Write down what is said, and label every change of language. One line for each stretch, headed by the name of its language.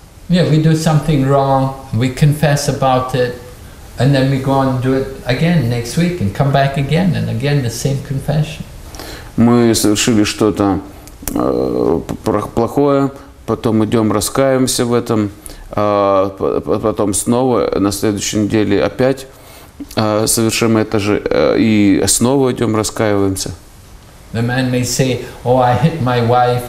English: Yeah, we do something wrong, we confess about it. And then we go on and do it again next week, and come back again and again the same confession.
Russian: Мы совершили что-то плохое, потом идем раскаиваемся в этом, потом снова на следующей неделе опять совершим это же и снова идем раскаиваемся.
English: The man may say, "Oh, I hit my wife.